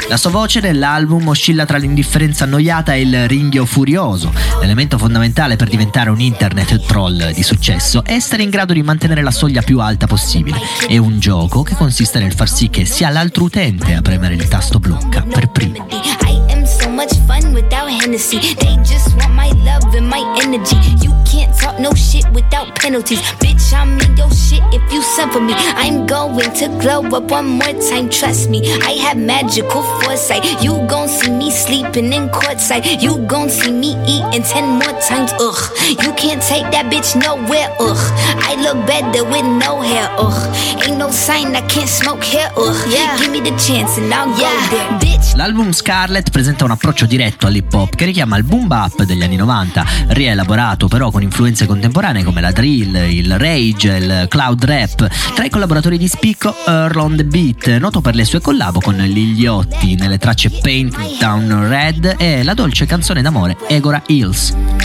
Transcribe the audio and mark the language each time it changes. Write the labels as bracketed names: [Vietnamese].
[Italian] La sua voce nell'album oscilla tra l'indifferenza annoiata e il ringhio furioso. L'elemento fondamentale per diventare un internet troll di successo è essere in grado di mantenere la soglia più alta possibile. È un gioco che consiste nel far sì che sia l'altro utente a premere il tasto blocca per primo. [English] Much fun without Hennessy. They just want my love and my energy. You can't talk no shit without penalties. Bitch, I'm in your shit if you send for me. I'm going to glow up one more time, trust me. I have magical foresight. You gon' see me sleeping in courtside. You gon' see me eating 10 more times, ugh. You can't take that bitch nowhere, ugh. I look better with no hair, ugh. Ain't no sign I can't smoke hair, ugh. Yeah. Give me the chance and I'll go there, bitch. [Italian] L'album Scarlett presenta un approccio diretto all'hip hop che richiama il boom bap degli anni 90, rielaborato però con influenze contemporanee come la drill, il rage e il cloud rap. Tra i collaboratori di spicco, Earl on the Beat, noto per le sue collab con Lil Yachty nelle tracce Paint Down Red e la dolce canzone d'amore Egora Hills.